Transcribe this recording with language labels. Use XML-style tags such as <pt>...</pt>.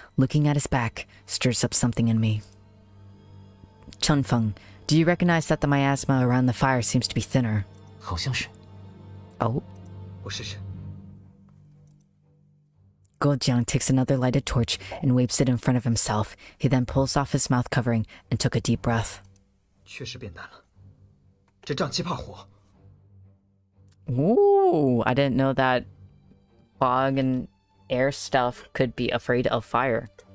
<en>Looking at his back, stirs up something in me. Chen Feng, do you recognize that the miasma around the fire seems to be thinner?</en> <zh>好像是。</zh> <en>Oh?</en> <zh>我试试。</zh> <en>Guo Jiang takes another lighted torch and waves it in front of himself. He then pulls off his mouth covering and took a deep breath.</en> <zh>确实变淡了。这瘴气怕火。</zh> <en>Ooh, I didn't know that fog and air stuff could be afraid of fire.</en>